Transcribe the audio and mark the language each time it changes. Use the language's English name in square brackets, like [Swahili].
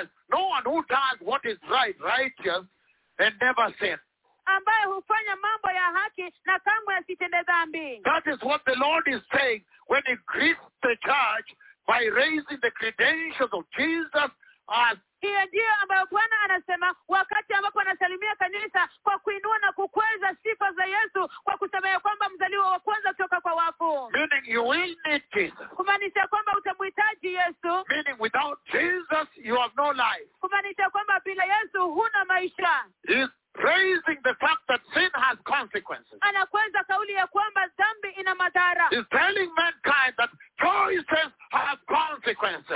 [English] No one who does what is right, righteous, and never sin. [Swahili] Ambaye hufanya mambo ya haki na kamwe asitende dhambi. [English] That is what the Lord is saying when he greets the church by raising the credentials of Jesus as. [Swahili] Hiyo ndiyo ambayo Bwana anasema wakati ambapo anasalimia kanisa kwa kuinua na kukweza sifa za Yesu kwa kusema kwamba mzaliwa wa kwanza kutoka kwa wafu. [English] Meaning you will need Jesus. [Swahili] Kumaanisha kwamba utamhitaji Yesu. [English] Meaning without Jesus you have no life. [Swahili] Kumaanisha kwamba bila Yesu huna maisha. [English] He's praising the fact that sin has consequences. [Swahili] Anakweza kauli ya kwamba dhambi ina madhara. [English] He's telling mankind that choices have consequences.